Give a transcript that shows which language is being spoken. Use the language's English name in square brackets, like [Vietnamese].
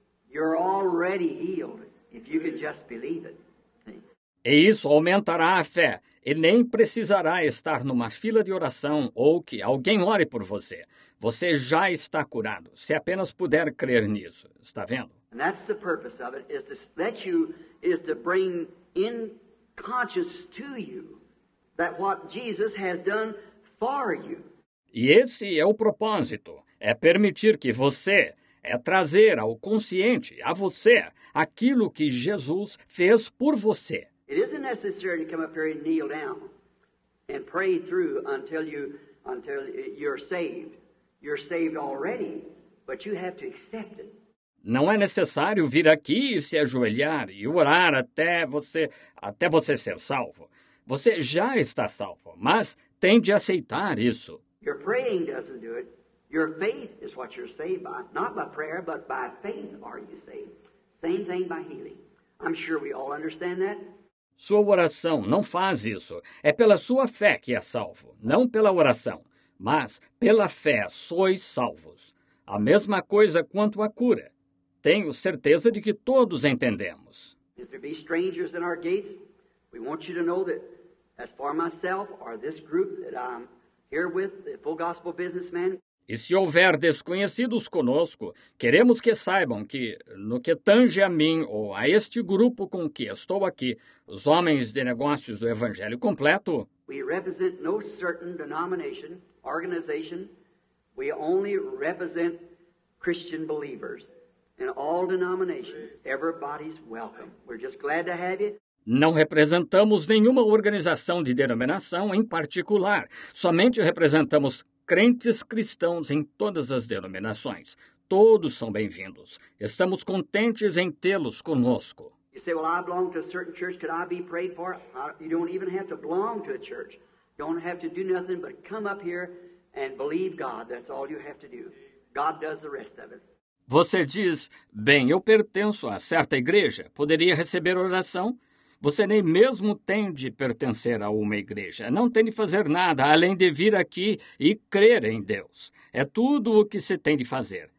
[Portuguese] Você já está healed, se você apenas acreditar. E isso aumentará a fé, e nem precisará estar numa fila de oração ou que alguém ore por você. Você já está curado, se apenas puder crer nisso. Está vendo? [English] And that's the purpose of it, is to bring in conscience to you that what Jesus has done for you. [Portuguese] E esse é o propósito, é permitir que você, é trazer ao consciente, a você, aquilo que Jesus fez por você. [English] It isn't necessary to come up here and kneel down and pray through until you're saved. You're saved already, but you have to accept it. [Portuguese] Não é necessário vir aqui e se ajoelhar e orar até você ser salvo. Você já está salvo, mas tem de aceitar isso. [English] Your praying doesn't do it. Your faith is what you're saved by. Not by prayer, but by faith are you saved. Same thing by healing. I'm sure we all understand that. [Portuguese] Sua oração não faz isso. É pela sua fé que é salvo, não pela oração, mas pela fé sois salvos. A mesma coisa quanto a cura. Tenho certeza de que todos entendemos. [English] If there be strangers in our gates, we want you to know that as for myself or this group that I'm here with, the full gospel businessman. [Portuguese] E se houver desconhecidos conosco, queremos que saibam que, no que tange a mim ou a este grupo com que estou aqui, os homens de negócios do Evangelho completo, [English] we represent no certain denomination, organization. We only represent Christian believers in all denominations. Everybody's welcome. We're just glad to have you. [Portuguese] Não representamos nenhuma organização de denominação em particular. Somente representamos crentes cristãos em todas as denominações. Todos são bem-vindos. Estamos contentes em tê-los conosco. [English] You say, well, I belong to a certain church. Could I be prayed for? You don't even have to belong to a church. You don't have to do nothing but come up here and believe God. That's all you have to do. God does the rest of it. [Portuguese] Você diz, bem, eu pertenço a certa igreja, poderia receber oração? Você nem mesmo tem de pertencer a uma igreja, não tem de fazer nada além de vir aqui e crer em Deus. É tudo o que se tem de fazer.